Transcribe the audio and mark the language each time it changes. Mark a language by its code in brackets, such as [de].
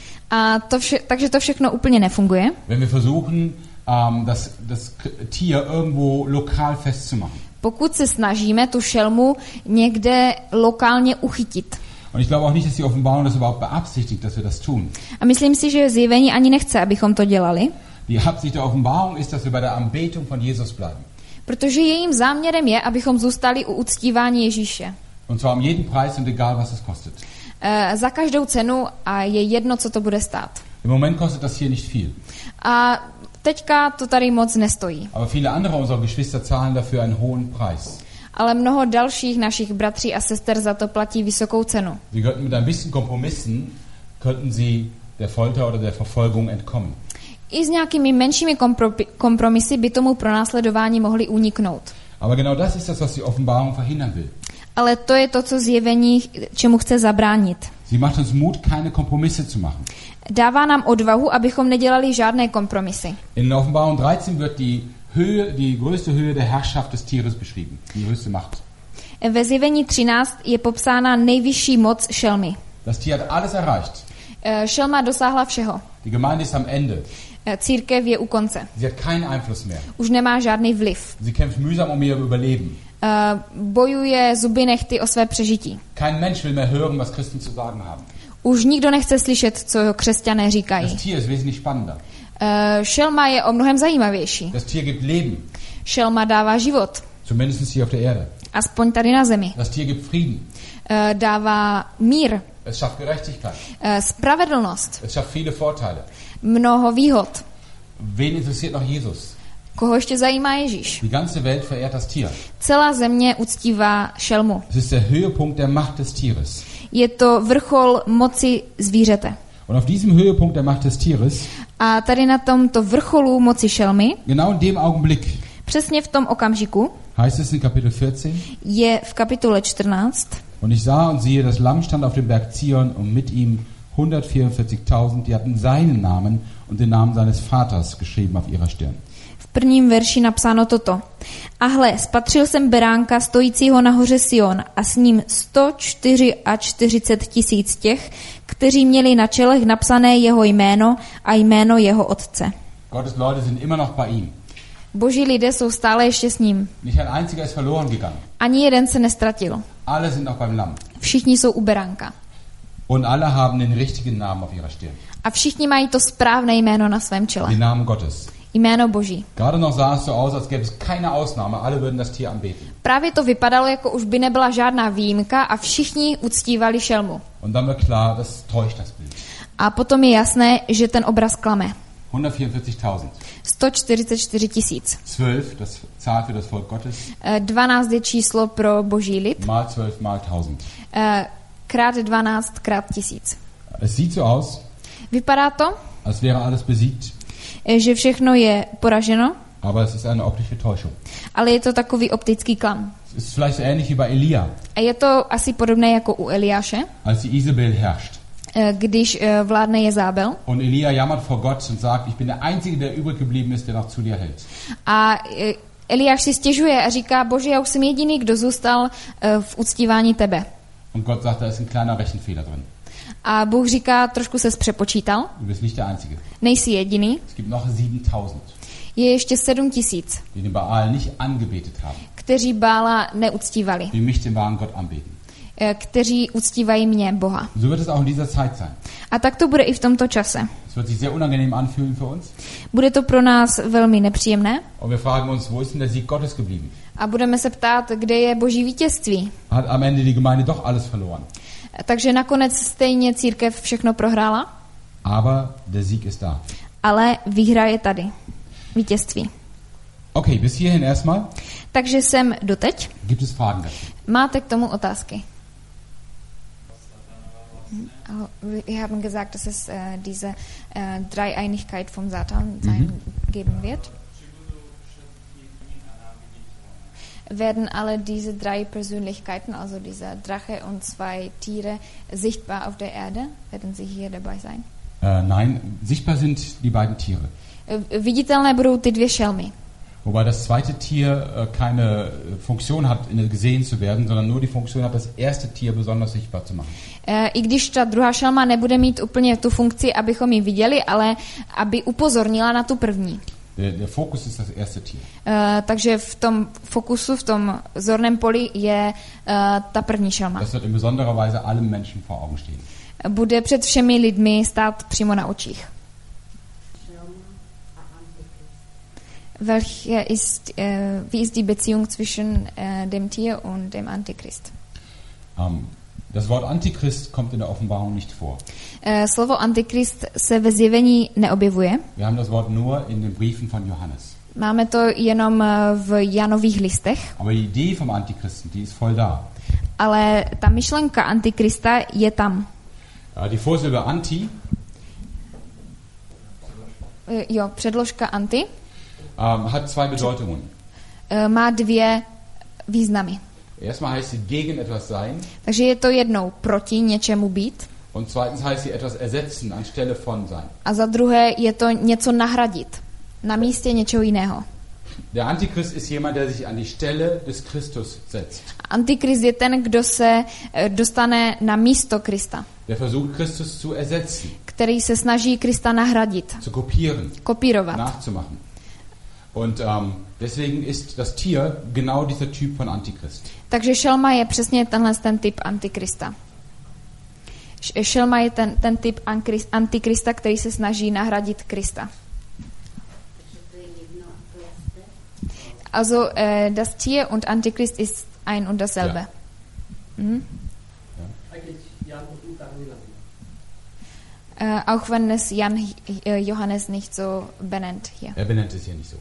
[cs] A to takže to všechno úplně nefunguje. [de] Wenn wir versuchen, das Tier irgendwo lokal festzumachen. [cs] Pokud se snažíme tu šelmu někde lokálně uchytit. [de] Und ich glaube auch nicht, dass die Offenbarung das überhaupt beabsichtigt, dass wir das tun. [cs] A myslím si, že zjevení ani nechce, abychom to dělali. [de] Die Absicht der Offenbarung ist, dass wir bei der Anbetung von Jesus bleiben. [cs] Protože jejím záměrem je, abychom zůstali u uctívání Ježíše. [de] Und zwar um jeden Preis und egal was es kostet. [cs] Za každou cenu a je jedno, co to bude stát. [de] Im Moment kostet das hier nicht viel. [cs] A teďka to tady moc nestojí. [de] Aber viele andere unserer Geschwister zahlen dafür einen hohen Preis. [cs] Ale mnoho dalších našich bratří a sester za to platí vysokou cenu. [de] Sie könnten mit ein bisschen Kompromissen könnten sie der Folter oder der Verfolgung entkommen. [cs] I s nějakými menšími kompromisy by tomu pronásledování mohli uniknout. [de] Aber genau das ist das, was die Offenbarung verhindern will. [cs] Ale to je to, co zjevení, čemu chce zabránit. [de] Sie macht uns Mut, keine Kompromisse zu machen. [cs] Dává nám odvahu, abychom nedělali žádné kompromisy. [de] In Offenbarung 13 wird die Höhe, die größte Höhe der Herrschaft des Tieres beschrieben, die höchste Macht. [cs] Ve zjevení 13 je popsána nejvyšší moc šelmy. [de] Das Tier hat alles erreicht. [cs] Šelma dosáhla všeho. [de] Die Gemeinde ist am Ende. [cs] Církev je u konce. [de] Sie hat keinen Einfluss mehr. [cs] Už nemá žádný vliv. [de] Sie kämpft mühsam um ihr Überleben. [cs] Bojuje zuby nechty o své přežití. [de] Kein Mensch will mehr hören, was Christen zu sagen haben. [cs] Už nikdo nechce slyšet, co křesťané říkají. [de] Das Tier ist wesentlich spannender. [cs] Šelma je o mnohem zajímavější. [de] Das Tier gibt Leben. [cs] Šelma dává život. [de] Zumindest hier auf der Erde. [cs] Aspoň tady na zemi. [de] Das Tier gibt Frieden. [cs] Dává mír. [de] Es schafft Gerechtigkeit. [cs] Spravedlnost. [de] Es schafft viele Vorteile. [cs] Mnoho výhod. [de] Wen interessiert noch Jesus? [cs] Koho ještě zajímá Ježíš? [de] Die ganze Welt verehrt das Tier. [cs] Celá země uctívá šelmu. [de] Es ist der Höhepunkt der Macht des Tieres. [cs] Je to vrchol moci zvířete. [de] Und auf diesem Höhepunkt der Macht des Tieres. [cs] A tady na tomto vrcholu moci šelmy. [de] Genau in dem Augenblick. [cs] Přesně v tom okamžiku. [de] Heißt es in Kapitel 14? [cs] Je v kapitole 14. [de] Und ich sah und siehe, das Lamm stand auf dem Berg Zion und mit ihm 144.000, die hatten seinen Namen und den Namen seines Vaters geschrieben auf ihrer Stirn. [cs] V prvním verši napsáno toto. A hle, spatřil jsem beránka stojícího nahoře Sion a s ním 144 000 těch, kteří měli na čelech napsané jeho jméno a jméno jeho otce. [de] Gottes Leute sind immer noch bei ihm. [cs] Boží lidé jsou stále ještě s ním. [de] Nicht ein einziger ist verloren gegangen. [cs] Ani jeden se nestratil. [de] Alle sind noch beim Lamm. [cs] Všichni jsou u beránka. [de] Und alle haben den richtigen Namen auf ihrer Stirn. [cs] A všichni mají to správné jméno na svém čele. [de] Den Namen Gottes. [cs] Jméno Boží. [de] Gerade noch sah es so aus, als gäbe es keine Ausnahme. Alle würden das Tier anbeten. [cs] Právě to vypadalo, jako už by nebyla žádná výjimka a všichni uctívali šelmu. [de] Und dann war klar, das täuscht das Bild. [cs] A potom je jasné, že ten obraz klame. [de] 144.000. [cs] 144 tisíc. [de] 12, das Zahl für das Volk Gottes. [cs] 12 je číslo pro Boží lid. [de] Mal 12 mal 1000. [cs] Krát 12 krát tisíc. [de] Es sieht so aus. [cs] Vypadá to? [de] Als wäre alles besiegt. [cs] Že všechno je poraženo. [de] Aber es ist eine optische Täuschung. [cs] Ale je to takový optický klam. [de] Es ist vielleicht so ähnlich wie bei Elia. [cs] A je to asi podobné jako u Eliáše. [de] Als die Isabel herrscht. [cs] Když vládne Jezábel. [de] Und Elia jammert vor Gott und sagt, ich bin der einzige, der übrig geblieben ist, der noch zu dir hält. [cs] A Eliáš si stěžuje a říká: Bože, já už jsem jediný, kdo zůstal v uctívání tebe. [de] Und Gott sagt, da ist ein kleiner Rechenfehler drin. [cs] A Bůh říká, trošku ses přepočítal. [de] Du bist nicht der einzige. [cs] Nejsi jediný. [de] Es gibt noch 7000. [cs] Je ještě 7000. [de] Die den Baal nicht angebetet haben. [cs] Kteří Bála neuctívali. [de] Die mich den wahren Gott anbeten. [cs] Kteří uctívají mě, Boha. [de] So wird es auch in dieser Zeit sein. [cs] A tak to bude i v tomto čase. [de] Es wird sich sehr unangenehm anfühlen für uns. [cs] Bude to pro nás velmi nepříjemné. [de] Und wir fragen uns, wo ist denn der Sieg Gottes geblieben? [cs] A budeme se ptát, kde je Boží vítězství. [de] Hat am Ende die Gemeinde doch alles verloren. [cs] Takže nakonec stejně církev všechno prohrála. [de] Aber der Sieg ist da. [cs] Ale výhra je tady. Vítězství. [de] Okay, bis hierhin erstmal. [cs] Takže sem doteď. [de] Gibt es Fragen dazu? [cs] Máte k tomu otázky? [de] Wir haben gesagt, dass es diese Dreieinigkeit vom Satan sein geben wird. Werden alle diese drei Persönlichkeiten, also dieser Drache und zwei Tiere, sichtbar auf der Erde? Werden sie hier dabei sein? Nein, sichtbar sind die beiden Tiere. [cs] Viditelné budou ty dvě šelmy. [de] Wobei das zweite Tier keine Funktion hat, gesehen zu werden, sondern nur die Funktion hat, das erste Tier besonders sichtbar zu machen. [cs] I když ta druhá šelma nebude mít úplně tu funkci, abychom ji viděli, ale aby upozornila na tu první. [de] Der Fokus ist das erste Tier. [cs] Takže v tom fokusu, v tom zorném poli je ta první šelma. [de] Das wird in besonderer Weise allen Menschen vor Augen stehen. [cs] Bude před všemi lidmi stát přímo na očích. [de] Welche ist, wie ist die Beziehung zwischen dem Tier und dem Antichrist? Das Wort Antichrist kommt in der Offenbarung nicht vor. [cs] Slovo Antichrist se ve zjevení neobjevuje. [de] Wir haben das Wort nur in den Briefen von Johannes. [cs] Máme to jenom v Janových listech. [de] Aber die Idee vom Antichristen, die ist voll da. [cs] Ale ta myšlenka Antichrista je tam. [de] Die Vorsilbe Anti. [cs] Jo, předložka Anti. [de] Hat zwei Bedeutungen. [cs] Má dvě významy. [de] Erstmal heißt sie gegen etwas sein. [cs] Takže je to jednou proti něčemu být. [de] Und zweitens heißt sie etwas ersetzen anstelle von sein. [cs] A za druhé je to něco nahradit na místě něčeho jiného. [de] Der Antichrist ist jemand, der sich an die Stelle des Christus setzt. [cs] Antichrist je ten, kdo se dostane na místo Krista. [de] Der versucht Christus zu ersetzen. [cs] Který se snaží Krista nahradit. [de] Zu kopieren. [cs] Kopírovat. [de] Nachzumachen. Und deswegen ist das Tier genau dieser Typ von Antichrist. [cs] Takže šelma je přesně tenhle ten typ Antikrista. Šelma je ten typ Antikrista, který se snaží nahradit Krista. [de] Also das Tier und Antichrist ist ein und dasselbe. Ja. Auch wenn es Jan Johannes nicht so benennt hier. Er benennt es hier nicht so.